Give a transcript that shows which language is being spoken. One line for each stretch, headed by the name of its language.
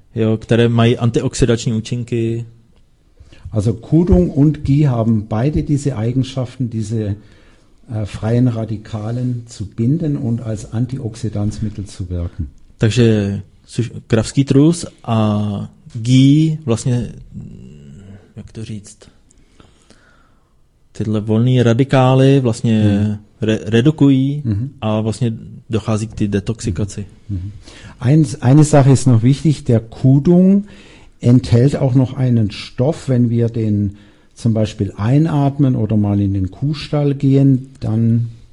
Czech: Jo, které mají antioxidační účinky.
German: Also Kudung und Ghee haben beide diese Eigenschaften, diese freien Radikalen zu binden und als Antioxidanzmittel zu wirken.
Czech: Takže kravský trus a ghee vlastně, jak to říct, tyhle volné radikály vlastně redukují a vlastně dochází k té detoxikaci.
German: Eine Sache ist noch wichtig, der Kudung enthält auch noch einen Stoff, wenn wir den zum Beispiel einatmen oder mal in den Kuhstall gehen, dann...